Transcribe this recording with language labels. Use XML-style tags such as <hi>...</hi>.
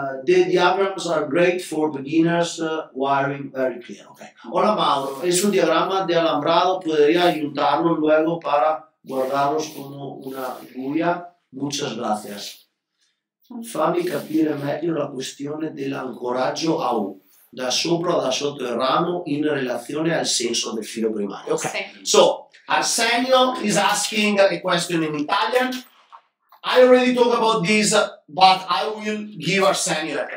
<en>The diagrams are great for beginners, wiring very clear. Okay.</en> <es>Hola Mauro, es un diagrama de alambrado, podría ayuntarlo luego para guardarlos como una guía. Muchas gracias.</es> <it>Fammi capire meglio la questione dell'ancoraggio a U, da sopra o da sotto il ramo in relazione al senso del filo primario.</it> <en>Okay. So, Arsenio is asking a question in Italian. I already talked about this, but I will give Arsenio.</en>